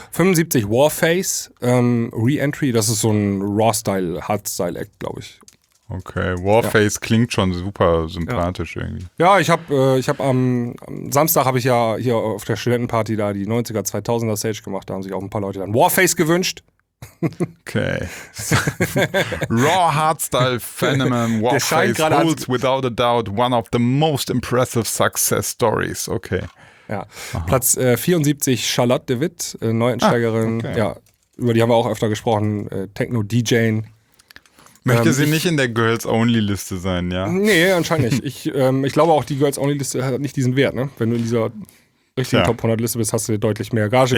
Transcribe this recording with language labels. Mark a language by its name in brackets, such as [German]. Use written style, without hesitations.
[German] 75 Warface, Re-Entry, das ist so ein Raw-Style, Hard-Style-Act, glaube ich. Okay, Warface klingt schon super sympathisch irgendwie. Ja, ich habe am Samstag habe ich ja hier auf der Studentenparty da die 90er, 2000er Stage gemacht, da haben sich auch ein paar Leute dann Warface gewünscht. Okay. [English] Raw Hardstyle Phenomen Warface holds without a doubt one of the most impressive success stories. [German] Okay. Ja. Aha. Platz 74 Charlotte DeWitt, Neuansteigerin. Ah, okay. Ja, über die haben wir auch öfter gesprochen, Techno-DJing. Möchte sie nicht in der Girls-Only-Liste sein, ja? Nee, anscheinend nicht. Ich glaube auch, die Girls-Only-Liste hat nicht diesen Wert, ne? Wenn du in dieser richtigen Top-100-Liste bist, hast du deutlich mehr Gage.